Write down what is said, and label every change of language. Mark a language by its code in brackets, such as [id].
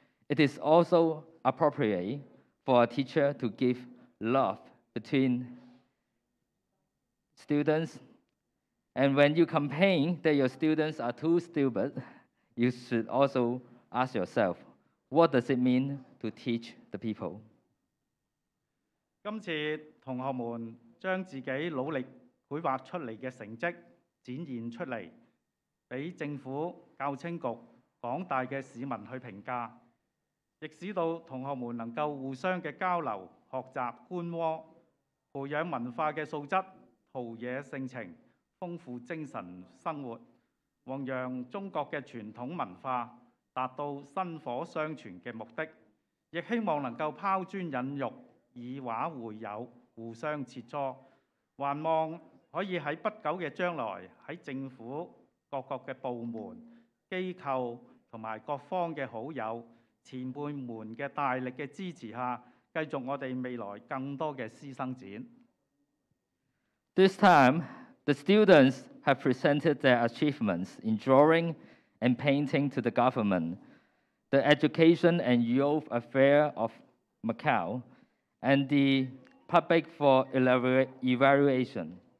[en] It is also appropriate for a teacher to give love between students. And when you complain that your students are too stupid, you should also ask yourself, what does it mean to teach the people? [zh] 今次同學們將自己努力繪畫出來的成績展現出來，給政府、教青局、廣大的市民去評價，亦使到同學們能夠互相的交流、學習、觀摩，培養文化的素質，陶冶性情，豐富精神生活，弘揚中國的傳統文化，達到薪火相傳的目的，亦希望能夠拋磚引玉，以畫會友，互相切磋，還望可以在不久的將來，在政府各個的部門、機構和各方的好友、前輩們的大力的支持下，繼續我們未來更多的師生展。 [en] This time, the students have presented their achievements in drawing and painting to the government, the Education and Youth Affairs of Macau, and the public for evaluation.